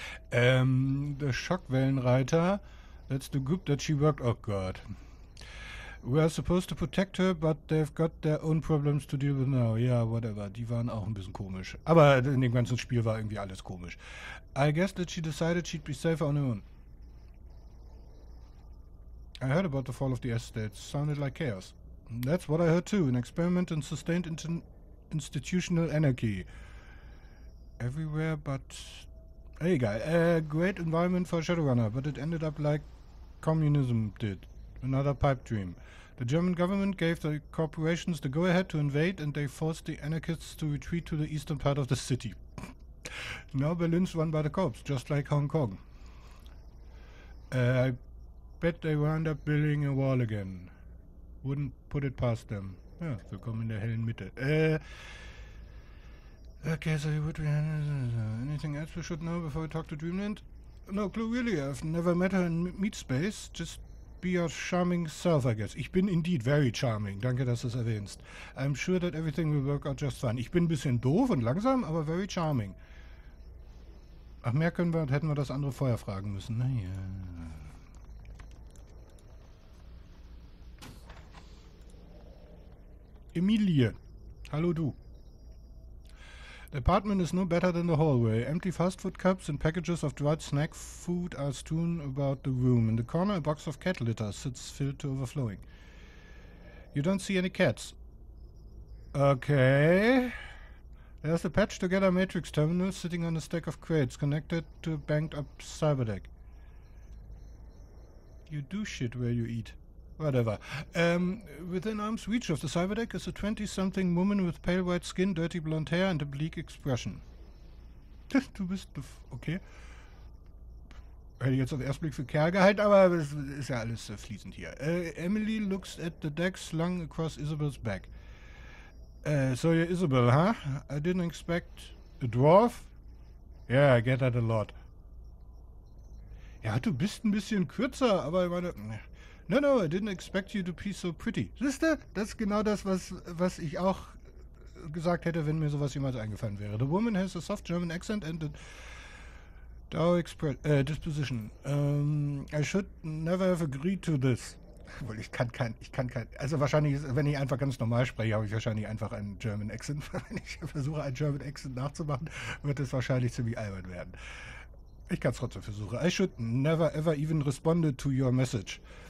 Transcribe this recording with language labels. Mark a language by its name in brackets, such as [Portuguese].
[English] the Schockwellenreiter. That's the group that she worked. Oh God. We are supposed to protect her, but they've got their own problems to deal with now. Yeah, whatever. [German] Die waren auch ein bisschen komisch. Aber in dem ganzen Spiel war irgendwie alles komisch. [English] I guess that she decided she'd be safer on her own. I heard about the fall of the F-State. Sounded like chaos. That's what I heard too, an experiment in sustained institutional anarchy. Everywhere but... Egal, a great environment for a Shadowrunner, but it ended up like communism did. Another pipe dream. The German government gave the corporations the go-ahead to invade and they forced the anarchists to retreat to the eastern part of the city. Now Berlin's run by the cops, just like Hong Kong. I bet they wound up building a wall again. Wouldn't put it past them. [German] Ja, willkommen in der hellen Mitte. [English] Okay, so you would be... anything else we should know before we talk to Dreamland? No clue, really. I've never met her in Meatspace. Just be your charming self, I guess. Ich bin indeed very charming. [German] Danke, dass du es erwähnst. [English] I'm sure that everything will work out just fine. [German] Ich bin ein bisschen doof und langsam, aber [English] very charming. [German] Ach, mehr können wir... Hätten wir das andere vorher fragen müssen. Naja... Emilie, hallo du. [English] The apartment is no better than the hallway. Empty fast food cups and packages of dried snack food are strewn about the room. In the corner, a box of cat litter sits filled to overflowing. You don't see any cats. Okay. There's a patched together matrix terminal sitting on a stack of crates connected to a banked up cyber deck. You do shit where you eat. Whatever. Within arm's reach of the cyberdeck is a 20-something woman with pale white skin, dirty blonde hair, and a bleak expression. [German] Du bist the okay. Hätte ich jetzt auf den ersten Blick für Kerl gehalten, aber es ist ja alles fließend hier. [English] Emily looks at the deck slung across Isabel's back. So you're Isabel, huh? I didn't expect a dwarf. Yeah, I get that a lot. [German] Ja, du bist ein bisschen kürzer, aber ich meine... [English] No, no, I didn't expect you to be so pretty. [German] Siehste, das ist genau das, was ich auch gesagt hätte, wenn mir sowas jemals eingefallen wäre. [English] The woman has a soft German accent and a dour disposition. I should never have agreed to this. [German] Obwohl, ich kann kein... Also wahrscheinlich, wenn ich einfach ganz normal spreche, habe ich wahrscheinlich einfach einen German accent. Wenn ich versuche, einen German accent nachzumachen, wird es wahrscheinlich ziemlich albern werden. Ich kann es trotzdem versuchen. [English] I should never ever even respond to your message.